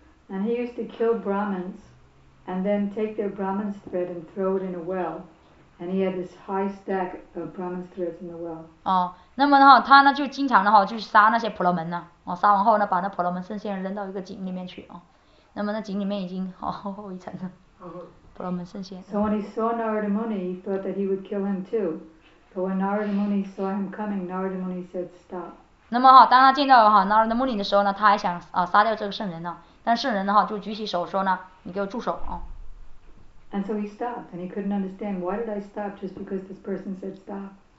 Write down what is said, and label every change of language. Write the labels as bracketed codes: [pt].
[en] And he used to kill Brahmins, and then take their Brahmin's thread and throw it in a well. And he had this high stack of Brahmin's threads in the well. [zh] 那么呢，他呢就经常的就杀那些婆罗门呢，杀完后呢，把那婆罗门圣贤扔到一个井里面去，那么那井里面已经厚厚一层的婆罗门圣贤。 [en] So when he saw Narada Muni, he thought that he would kill him too. But when Narada Muni saw him coming, Narada Muni said, "Stop." [zh] 那么当他见到Narada Muni 的时候呢，他还想杀掉这个圣人呢，但圣人的话就举起手说呢，你给我住手。 [en] And so he stopped, and he couldn't understand why did I stop just because this person said stop.